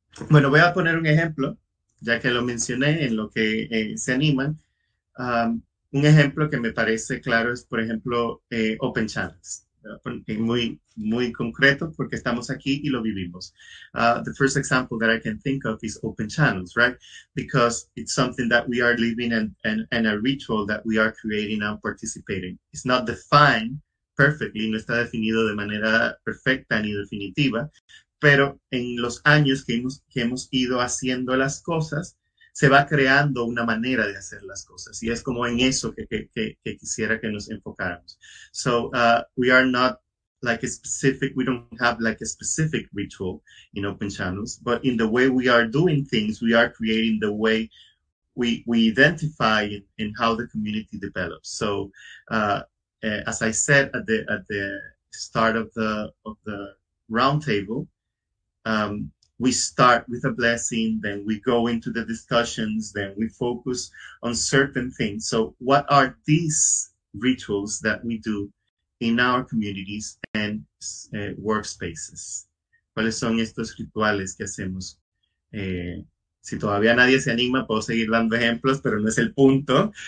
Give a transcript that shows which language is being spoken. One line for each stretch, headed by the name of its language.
Spanish: Bueno, voy a poner un ejemplo, ya que lo mencioné, en lo que se animan. Un ejemplo que me parece claro es, por ejemplo, Open Channels. Muy, muy concreto, porque estamos aquí y lo vivimos.
English: The first example that I can think of is Open Channels, right? Because it's something that we are living and a ritual that we are creating and participating. It's not defined perfectly,
Spanish: no está definido de manera perfecta ni definitiva, pero en los años que hemos ido haciendo las cosas, se va creando una manera de hacer las cosas. Y es como en eso que quisiera que nos enfocáramos.
English: So, we are not like a specific, we don't have like a specific ritual in Open Channels, but in the way we are doing things, we are creating the way we identify in how the community develops. So, as I said at the start of the roundtable, we start with a blessing, then we go into the discussions, then we focus on certain things. So what are these rituals that we do in our communities and workspaces?
Spanish: ¿Cuáles son estos rituales que hacemos? Si todavía nadie se anima, puedo seguir dando ejemplos, pero no es el punto.